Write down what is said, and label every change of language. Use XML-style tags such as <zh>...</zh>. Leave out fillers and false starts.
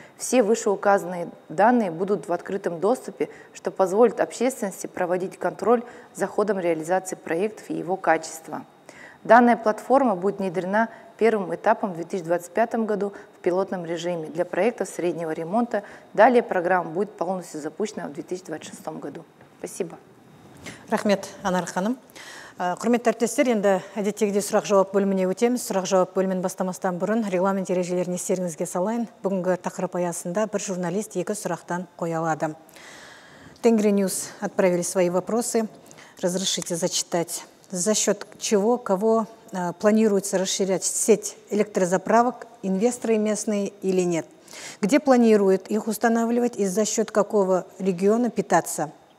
<ru>Все вышеуказанные данные будут в открытом доступе, что позволит общественности проводить контроль за ходом реализации проектов и его качества. Данная платформа будет внедрена первым этапом в 2025 году в пилотном режиме для проектов среднего ремонта. Далее программа будет полностью запущена в 2026 году. Спасибо.</ru> <kk>Рахмет, Анар ханым. Құрметті әріптестер, енді әдеттегідей сұрақ-жауап бөліміне өтеміз. Сұрақ-жауап бөлімін бастамастан бұрын регламент ережелерін естеріңізге салайын. Бүгінгі тақырып аясында бір журналист екі сұрақтан қоя алады.</kk> <ru>Тенгри Ньюс отправили свои вопросы. Разрешите зачитать. За счет чего, кого планируется расширять сеть электрозаправок, инвесторы местные или нет? Где планируют их устанавливать и за счет какого региона питаться?</ru>